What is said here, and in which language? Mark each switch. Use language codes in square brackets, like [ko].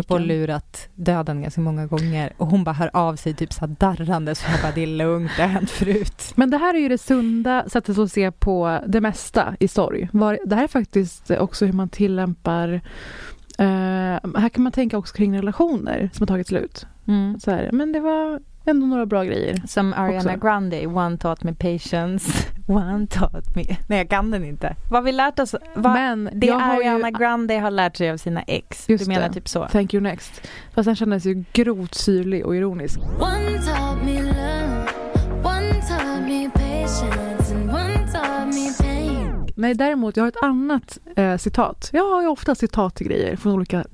[sv] Apropå lurat döden ganska många gånger. Och hon bara hör av sig typ så här darrande, så jag bara, det är lugnt, det har hänt förut. Men det här är ju det sunda sättet att se på det mesta i sorg. Det här är faktiskt också hur man tillämpar... här kan man tänka också kring relationer som har tagit slut. Mm. Så här, men det var... ändå några bra grejer. Som Ariana också. [en] Grande, one taught me patience, one taught me... [sv] Nej, jag kan den inte. Vad vi lärt oss... Men det Ariana Grande har lärt sig av sina ex. Du menar det. Typ så. [en] Thank you next. [sv] Fast den kändes ju grovt syrlig och ironisk. [en] One taught me love, one taught me patience, and one taught me pain. [sv] Nej, däremot, jag har ett annat citat. Jag har ju ofta citat i grejer från olika...